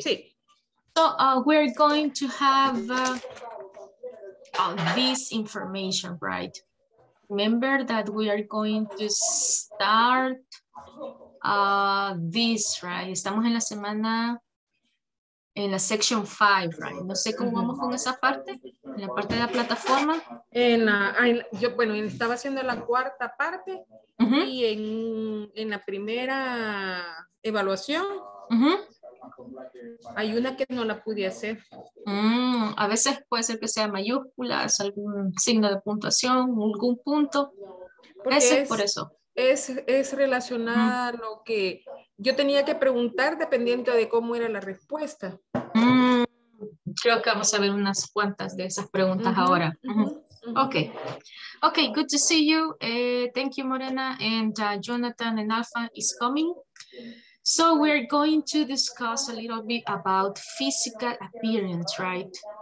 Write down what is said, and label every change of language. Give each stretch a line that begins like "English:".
Spanish: Sí.
English: So we're going to have this information, right? Remember that we are going to start this, right?
Spanish: Estamos en la semana, en la section 5, right? No sé cómo vamos con esa parte, en la parte de la plataforma. Yo estaba haciendo la cuarta parte uh-huh. y en la primera evaluación uh-huh. hay una que no la pude hacer. Mm, a veces puede ser que sea mayúsculas, algún signo de puntuación, algún punto. Por eso. Es relacionada a lo que yo tenía que preguntar dependiendo de cómo era la respuesta. Mm, creo que vamos a ver unas cuantas de esas preguntas uh-huh, ahora.
English: Uh-huh, uh-huh. Okay. Okay, good to see you. Thank you, Morena, and Jonathan and Alpha is coming. So we're going to discuss a little bit about physical appearance, right?